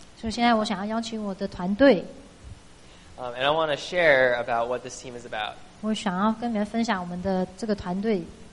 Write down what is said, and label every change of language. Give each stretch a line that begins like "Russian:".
Chinese: 所以现在我想要邀请我的团队。
English: And I want to share about what this team is about.
Chinese: 我想要跟你们分享我们的这个团队。